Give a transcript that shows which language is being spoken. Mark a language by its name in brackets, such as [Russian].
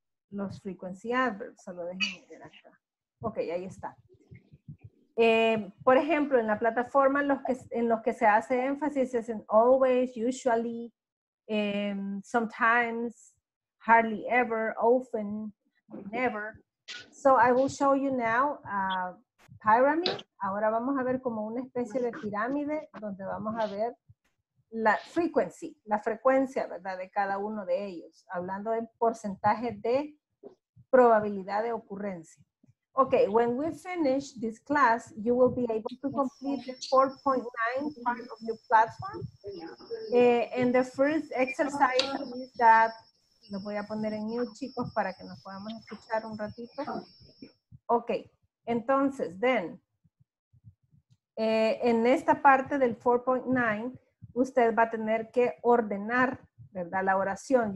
[Spanish] Los frequency adverbs, solo déjenme ver acá. Ok, ahí está. Por ejemplo, en la plataforma en los que se hace énfasis es en always, usually, sometimes, hardly ever, often, never. [English] So I will show you now a pyramid. [Spanish] Ahora vamos a ver como una especie de pirámide donde vamos a ver la frequency, la frecuencia, ¿verdad?, de cada uno de ellos, hablando del porcentaje de probabilidad de ocurrencia. [English] Okay, when we finish this class, you will be able to complete the 4.9 part of your platform. And the first exercise is that, [Spanish] lo voy a poner en mute, chicos, para que nos podamos escuchar un ratito. Okay, entonces, then, en esta parte del 4.9, usted va a tener que ordenar, ¿verdad?, la oración.